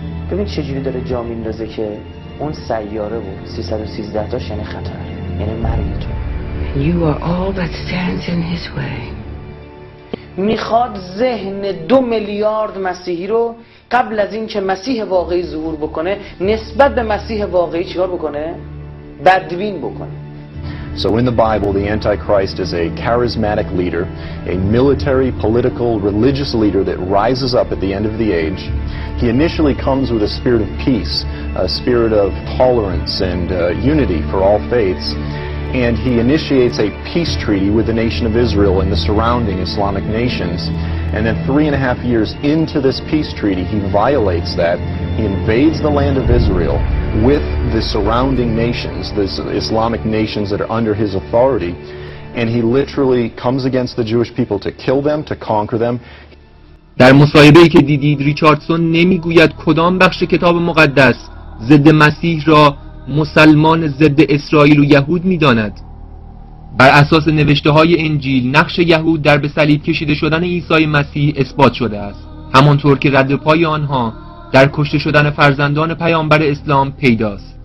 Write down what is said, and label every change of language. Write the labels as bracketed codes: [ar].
[fa] ببین چجوری داره جا میندازه که اون سیاره بود 313 تاش، یعنی خطر، یعنی مرگ تو. [en] You are all that stands in his way. [fa] میخواد ذهن 2 میلیارد مسیحی رو قبل از این که مسیح واقعی ظهور بکنه نسبت به مسیح واقعی چیار بکنه؟ بدبین بکنه. [en] So in the Bible, the Antichrist is a charismatic leader, a military, political, religious leader that rises up at the end of the age. He initially comes with a spirit of peace, a spirit of tolerance and unity for all faiths. and he initiates a peace treaty with the nation of Israel and the surrounding Islamic nations. And then 3.5 years into this peace treaty, he violates that. He invades the land of Israel with the surrounding nations, the Islamic nations that are under his authority, and he literally comes against the Jewish people to kill them, to conquer them. [fa] در مصاحبه‌ای که دیدید، ریچاردسون نمیگوید کدام بخش کتاب مقدس ضد مسیح را مسلمان ضد اسرائیل و یهود می‌داند. بر اساس نوشته‌های انجیل، نقش یهود در به صلیب کشیده شدن عیسی مسیح اثبات شده است، همانطور که ردپای آنها در کشته شدن فرزندان پیامبر اسلام پیداست.